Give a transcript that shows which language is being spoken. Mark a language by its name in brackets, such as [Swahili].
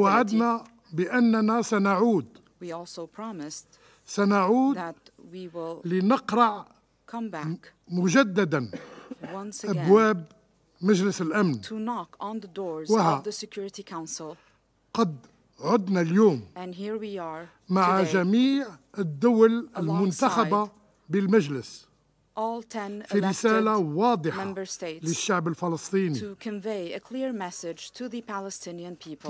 [Arabic] ووعدنا بأننا سنعود [English] we also promised [Arabic] سنعود [English] that we will [Arabic] لنقرع [English] come back [Arabic] مجددا [English] once again [Arabic] أبواب مجلس الأمن [English] to knock on the doors of the Security Council. [Arabic] قد عدنا اليوم [English] and here we are [Arabic] مع [English] today [Arabic] جميع الدول المنتخبة بالمجلس [English] all 10 [Arabic] في رسالة واضحة [English] member states [Arabic] للشعب الفلسطيني [English] to convey a clear message to the Palestinian people.